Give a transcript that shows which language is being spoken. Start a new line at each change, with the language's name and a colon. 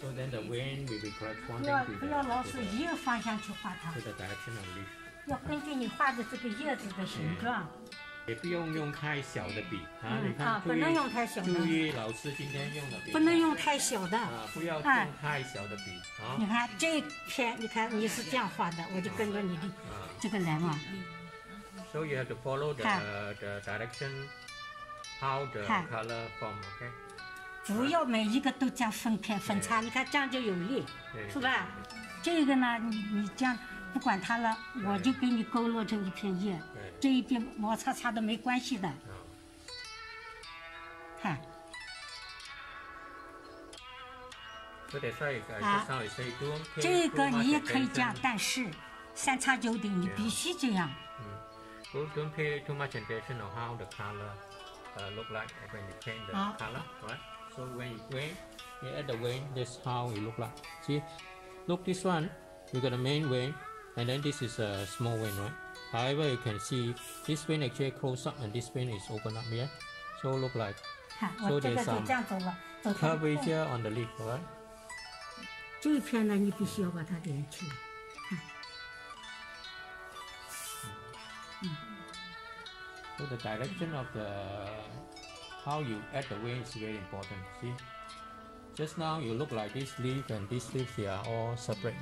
English: So then the wind will be corresponding to the direction of the leaf.
Chinese: 要根据你画的这个叶子的形状。也不用用太小的笔啊！你看，不能用太小的。注意，老师今天用的笔。不能用太小的。不要用太小的笔啊！你看这篇，你看你是这样画的，我就跟着你的这个来嘛。
English: So you have to follow the direction, how the color form, okay?
Chinese: 不要每一个都这样分开分叉，你看这样就有力，是吧？这个呢，你这样不管它了，我就给你勾勒成一片叶，这一边摩擦擦都没关系的。看，这个你也可以这样，但是三叉九顶你必须这样。
English: So don't pay too much attention on how the color look like when you paint the color, right? So when you paint, you add the wing, that's how it look like. See, look this one, you got a main wing, and then this is a small wing, right? However, you can see this wing actually close up and this wing is open up, yeah? So look like, so there's some curvature on the leaf, right?
Chinese: 这片呢，你必须要把它连起来。
English: So the direction of the how you add the wing is very important. See, just now you look like this leaf and this leaf, they are all separate.